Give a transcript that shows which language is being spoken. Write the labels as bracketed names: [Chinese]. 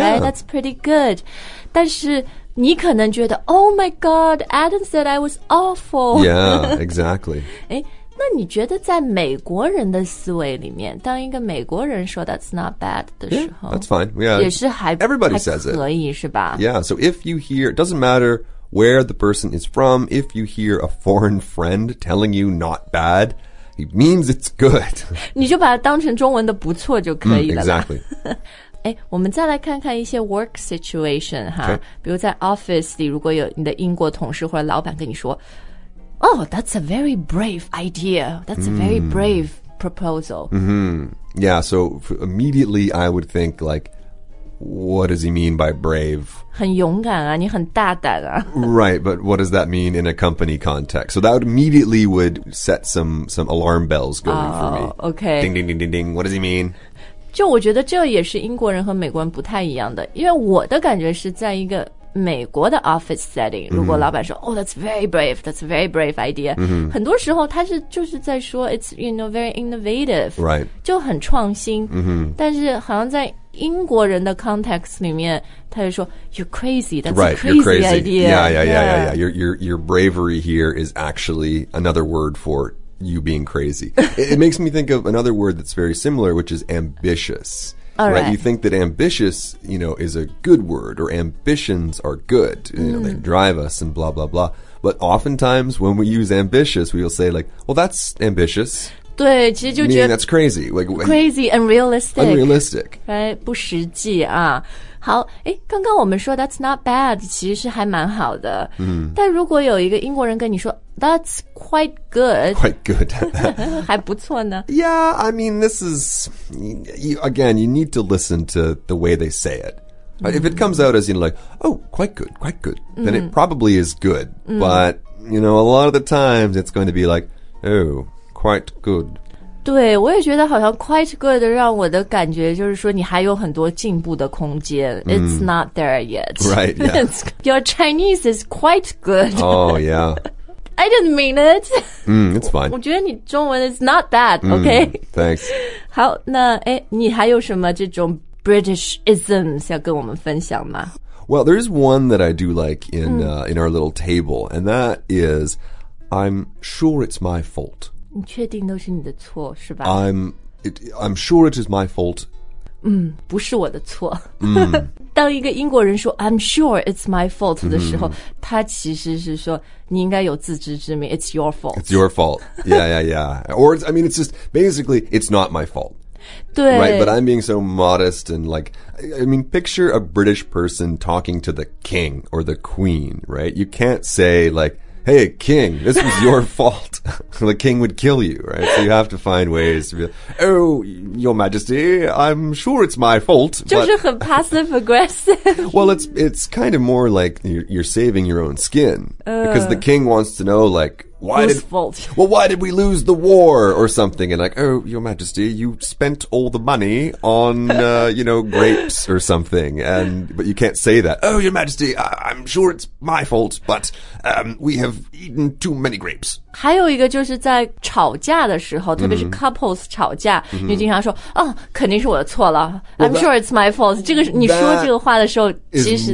[English] yeah. Right? That's pretty good. [Chinese] 但是你可能觉得 [English] Oh my god, Adam said I was awful. Yeah, exactly. [Chinese] 那你觉得在美国人的思维里面，当一个美国人说 [English] that's not bad [Chinese] 的时候 [English] yeah, that's fine, yeah. [Chinese] 也是还 [English] Everybody says it. [Chinese] 可以是吧 [English] Yeah, so if you hear, it doesn't matter where the person is from, if you hear a foreign friend telling you not badIt means it's good. [Chinese] 你就把它当成中文的不错就可以了。 [English] Exactly. [Chinese] 我们再来看看一些 [English] work situation, [Chinese] 哈。 [English] Okay. [Chinese] 比如在 office 里如果有你的英国同事或者老板跟你说 [English] Oh, that's a very brave idea. That's a very brave proposal. Yeah, so immediately I would think like, what does he mean by brave? [Chinese] 很勇敢啊，你很大胆啊。 [English] Right, but what does that mean in a company context? So that would immediately would set some alarm bells going for me. Okay. Ding, ding, ding, ding, ding. What does he mean? [Chinese] 就我觉得这也是英国人和美国人不太一样的，因为我的感觉是在一个美国的 [English] office setting, [Chinese] 如果老板说 [English] Oh, that's a very brave idea, [Chinese] 很多时候他是就是在说 [English] It's, you know, very innovative. Right. [Chinese] 就很创新。但是好像在英国人的 context 里面他就说 [English] You're crazy, that's right, a crazy, you're crazy idea. Yeah. Your bravery here is actually another word for you being crazy. It makes me think of another word that's very similar, which is ambitious. Right. You think that ambitious, you know, is a good word or ambitions are good. You know, they drive us and blah, blah, blah. But oftentimes when we use ambitious, we will say like, well, that's ambitious. [Chinese] 对，其实就觉得 [English] Meaning that's crazy. Crazy, unrealistic. Unrealistic. [Chinese] Right, 不实际啊。好，刚刚我们说 [English] that's not bad, [Chinese] 其实是还蛮好的。但如果有一个英国人跟你说 [English] that's quite good. Quite good. [Chinese] 还不错呢。 [English] Yeah, I mean, this is, again, you need to listen to the way they say it. If it comes out as, you know, like, oh, quite good, then it probably is good. But, you know, a lot of the times it's going to be like, oh,Quite good. [Chinese] 对，我也觉得好像 [English] quite good [Chinese] 让我的感觉就是说你还有很多进步的空间。 [English] It's not there yet. Right, yeah. Your Chinese is quite good. Oh, yeah. I didn't mean it. It's fine. [Chinese] 我觉得你中文 [English] is not bad, okay? Thanks. [Chinese] 好，那你还有什么这种 British-isms 要跟我们分享吗？ [English] Well, there is one that I do like in our little table, and that is, I'm sure it's my fault. [Chinese] 你确定都是你的错是吧 [English] I'm sure it is my fault [Chinese] 不是我的错。当一个英国人说 [English] I'm sure it's my fault [Chinese] 的时候、mm-hmm. 他其实是说你应该有自知之明 [English] It's your fault. It's your fault. Yeah, yeah, yeah. Or, I mean, it's just basically, it's not my fault. [Chinese] 对 [English] Right, but I'm being so modest and like, I mean, picture a British person talking to the king or the queen, right? You can't say like, hey, king, this was your fault. The king would kill you, right? So you have to find ways to be like, oh, your majesty, I'm sure it's my fault. [Chinese] 就是很 [English] passive aggressive. Well, it's kind of more like you're saving your own skin. Because the king wants to know, like,why did we lose the war or something? And like, oh, your majesty, you spent all the money on, you know, grapes or something. And, but you can't say that. Oh, your majesty, I'm sure it's my fault, but, we have eaten too many grapes. [Chinese] 还有一个就是在吵架的时候、mm-hmm. 特别是 couples 吵架、mm-hmm. 你经常说哦，肯定是我的错了 [English] well, I'm sure it's my fault [Chinese] 这个你说这个话的时候其实